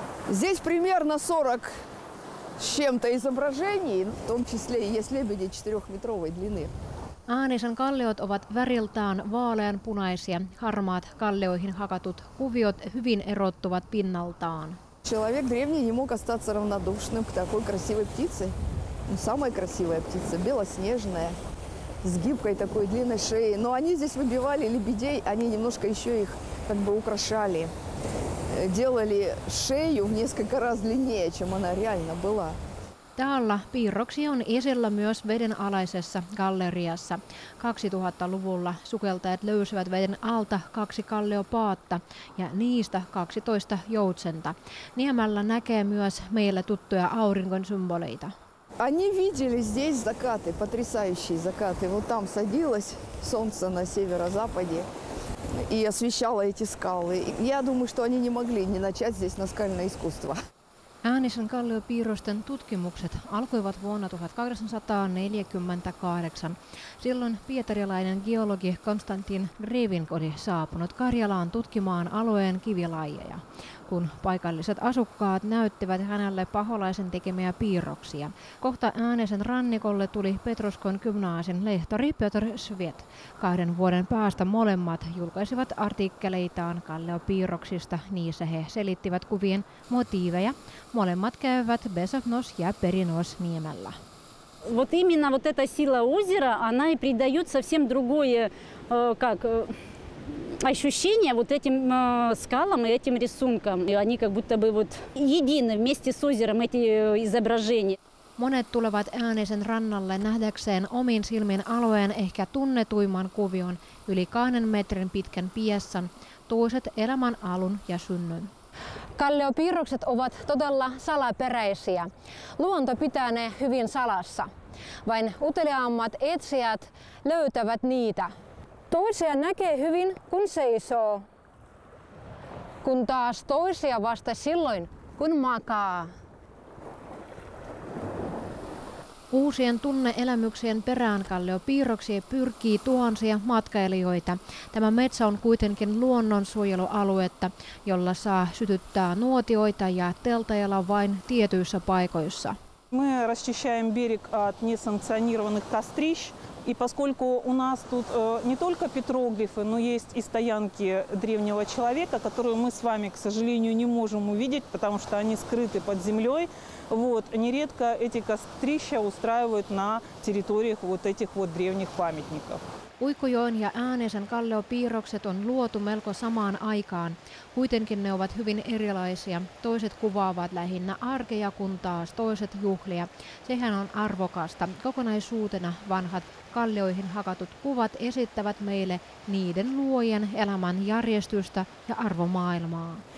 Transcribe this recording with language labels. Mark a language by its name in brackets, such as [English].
[Russian] Здесь примерно 40 с чем-то изображений, в том числе есть лебеди 4-метровой длины. [Finnish] Äänisen kalliot ovat väriltään vaaleanpunaisia. Harmaat kallioihin hakatut kuviot hyvin erottuvat pinnaltaan. [Russian] Человек древний не мог остаться равнодушным к такой красивой птице. Самая красивая птица белоснежная, с гибкой такой длинной шеей. Но они здесь выбивали лебедей, они немножко еще их как бы украшали. Делали шею в несколько раз длиннее, чем она реально была. [Finnish] Täällä piirroksi on esillä myös vedenalaisessa galleriassa. 2000-luvulla sukeltajat löysivät veden alta 2 kalliopaatta ja niistä 12 joutsenta. Niemällä näkee myös meille tuttuja auringon symboleita. [Russian] Они видели здесь закаты, потрясающие закаты. Вот там садилось солнце на северо-западе и освещало эти скалы. Я думаю, что они не могли не начать здесь наскальное искусство. [Finnish] Äänisen kalliopiirrosten tutkimukset alkoivat vuonna 1848. Silloin pietarilainen geologi Konstantin Grevink oli saapunut Karjalaan tutkimaan alueen kivilajeja, kun paikalliset asukkaat näyttivät hänelle paholaisen tekemiä piirroksia. Kohta Äänisen rannikolle tuli Petroskoin gymnaasin lehtori Piotr Svet. 2 vuoden päästä molemmat julkaisivat artikkeleitaan kalliopiirroksista. Niissä he selittivät kuvien motiiveja. Molemmat käyvät Besovnos ja Perinos niemellä. [Russian] Вот именно вот эта сила озера, она и придает совсем другое, как ощущение вот этим скалам и этим рисункам. И они как будто бы вот едины вместе с озером эти изображения. [Finnish] Monet tulevat Äänisen rannalle nähdäkseen omin silmin alueen ehkä tunnetuimman kuvion, yli 2 metrin pitkän piessan, toiset elämän alun ja synnyn. Kalliopiirrokset ovat todella salaperäisiä. Luonto pitää ne hyvin salassa. Vain uteliaammat etsijät löytävät niitä. Toisia näkee hyvin, kun seisoo. Kun taas toisia vasta silloin, kun makaa. Uusien tunne-elämyksien peräänkalliopiirroksia pyrkii tuhansia matkailijoita. Tämä metsä on kuitenkin luonnonsuojelualuetta, jolla saa sytyttää nuotioita ja teltajalla vain tietyissä paikoissa. [Russian] Мы расчищаем берег от несанкционированных кострищ, и поскольку у нас тут не только петроглифы, но есть и стоянки древнего человека, которую мы с вами, к сожалению, не можем увидеть, потому что они скрыты под землей, вот, нередко эти кострища устраивают на территориях вот этих вот древних памятников. [Finnish] Uikkujoen ja Äänesen kalliopiirrokset on luotu melko samaan aikaan. Kuitenkin ne ovat hyvin erilaisia. Toiset kuvaavat lähinnä arkeja, kun taas toiset juhlia. Sehän on arvokasta. Kokonaisuutena vanhat kallioihin hakatut kuvat esittävät meille niiden luojen elämän järjestystä ja arvomaailmaa.